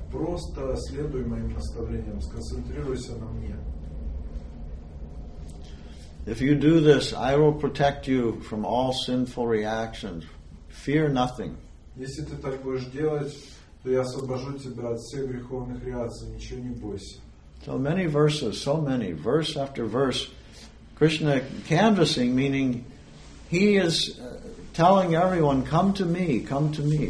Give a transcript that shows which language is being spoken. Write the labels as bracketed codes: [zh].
[ru] Просто следуй моим наставлениям. Сконцентрируйся на мне. [en] If you do this, I will protect you from all sinful reactions. Fear nothing. [ru] Если ты так будешь делать, то я освобожу тебя от всех греховных реакций. Ничего не бойся. [en] So many verses, so many. Verse after verse. Krishna canvassing, meaning he is telling everyone, come to me, come to me.